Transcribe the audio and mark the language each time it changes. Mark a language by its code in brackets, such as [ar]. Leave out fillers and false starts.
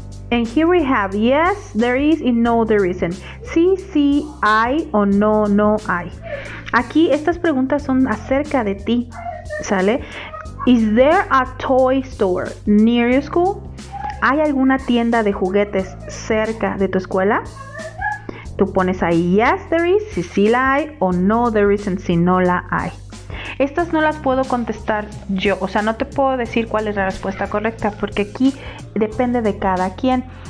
[en] And here we have yes, there is, and no, there isn't. [es] Sí, sí, hay, o no, no hay. Aquí estas preguntas son acerca de ti, ¿sale? [en] Is there a toy store near your school? [es] ¿Hay alguna tienda de juguetes cerca de tu escuela? Tú pones ahí [en] yes, there is, [es] si sí la hay, o [en] no, there isn't, [es] si no la hay. Estas no las puedo contestar yo, o sea, no te puedo decir cuál es la respuesta correcta, porque aquí depende de cada quien.